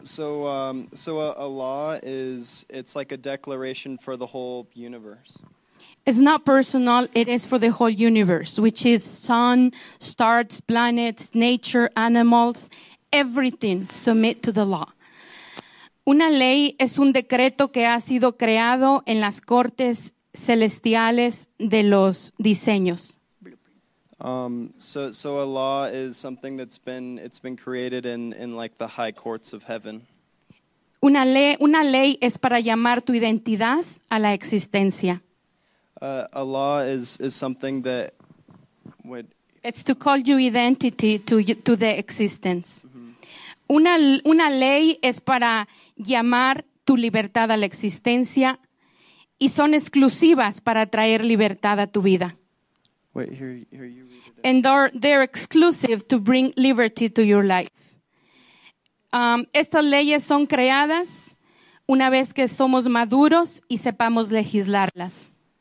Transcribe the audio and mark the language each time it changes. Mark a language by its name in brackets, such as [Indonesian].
[English] So a law is, it's like a declaration for the whole universe. It's not personal, it is for the whole universe, which is sun, stars, planets, nature, animals, everything submit to the law. [Spanish] Una ley es un decreto que ha sido creado en las cortes celestiales de los diseños. [English] So a law is something that's been, it's been created in like the high courts of heaven. [Spanish] Una ley es para llamar tu identidad a la existencia. [English] A law is something that would... It's to call your identity to the existence. Mm-hmm. [Spanish] Una ley es para llamar tu libertad a la existencia. Y son exclusivas para traer libertad a tu vida. [English] Wait, here you read it. And they're exclusive to bring liberty to your life. [Spanish] Estas leyes son creadas una vez que somos maduros y sepamos legislarlas.